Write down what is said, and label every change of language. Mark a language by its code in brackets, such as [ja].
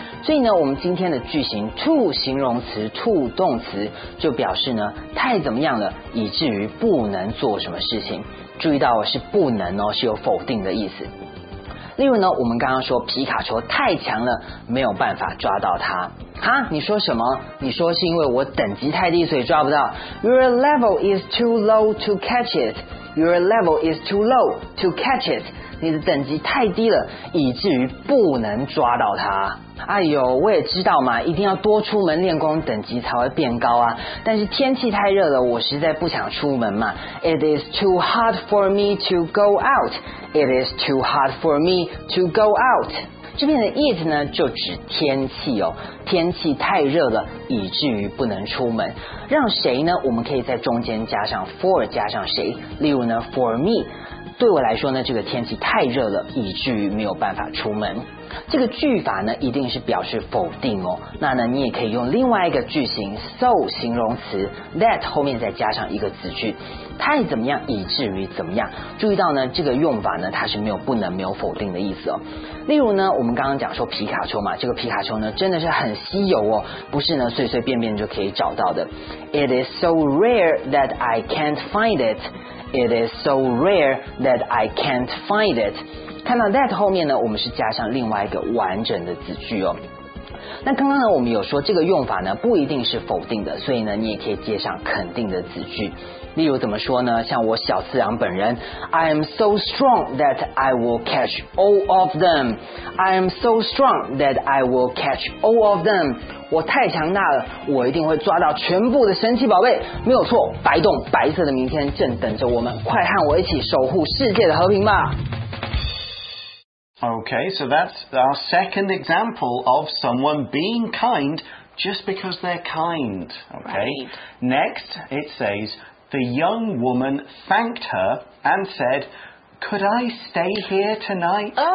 [zh] 所以呢，我们今天的句型 too 形容词 too 动词就表示呢太怎么样了，以至于不能做什么事情。注意到是不能哦，是有否定的意思。例如呢，我们刚刚说皮卡丘太强了，没有办法抓到它。哈，你说什么？你说是因为我等级太低，所以抓不到。 [en] Your level is too low to catch it. Your level is too low to catch it. [zh] 你的等级太低了，以至于不能抓到它。哎呦，我也知道嘛，一定要多出门练功，等级才会变高啊。但是天气太热了，我实在不想出门嘛。 [en] It is too hot for me to go out. It is too hot for me to go out. [zh] 这边的 it 呢，就指天气哦，天气太热了，以至于不能出门。让谁呢？我们可以在中间加上 for， 加上谁？例如呢 ， [en] for me。 [zh] 对我来说呢，这个天气太热了，以至于没有办法出门。这个句法呢，一定是表示否定哦。那呢，你也可以用另外一个句型 so 形容词 that 后面再加上一个子句，太怎么样，以至于怎么样。注意到呢，这个用法呢，它是没有不能、没有否定的意思哦。例如呢，我们刚刚讲说皮卡丘嘛，这个皮卡丘呢，真的是很稀有哦，不是呢随随便便就可以找到的。 [en] It is so rare that I can't find it. It is so rare that I can't find it. [zh] 看到 that 后面呢，我们是加上另外一个完整的子句哦。那刚刚呢，我们有说这个用法呢，不一定是否定的，所以呢，你也可以接上肯定的子句。例如怎么说呢？像我小次郎本人 [en] ，I am so strong that I will catch all of them. I am so strong that I will catch all of them. [zh] 我太强大了，我一定会抓到全部的神奇宝贝。没有错，白洞，白色的明天正等着我们，快和我一起守护世界的和平吧。 [en] Okay, so that's our second example of someone being kind just because they're kind. Okay. Right. Next, it says, the young woman thanked her and said, could I stay here tonight?